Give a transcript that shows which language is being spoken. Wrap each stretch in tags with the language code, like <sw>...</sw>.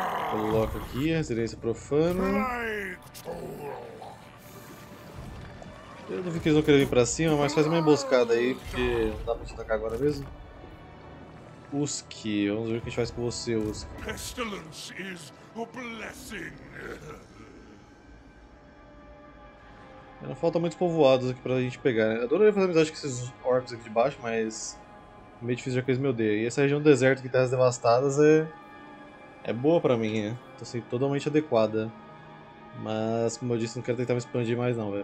<pt>Coloca aqui a residência profana. Eu não vi que eles vão querer vir para cima, mas faz uma emboscada aí, porque não dá para te atacar agora mesmo. Usk, vamos ver o que a gente faz com você, Usk.</pt> <en>Pestilence is a blessing.</en> <pt>Não falta muitos povoados aqui pra gente pegar, né? Eu adoraria fazer amizade com esses orcs aqui de baixo, mas é meio difícil já que eles me odeiam. E essa região do deserto que tem as devastadas é boa pra mim, né? Tô sendo totalmente adequada. Mas, como eu disse, não quero tentar me expandir mais não, velho.</pt>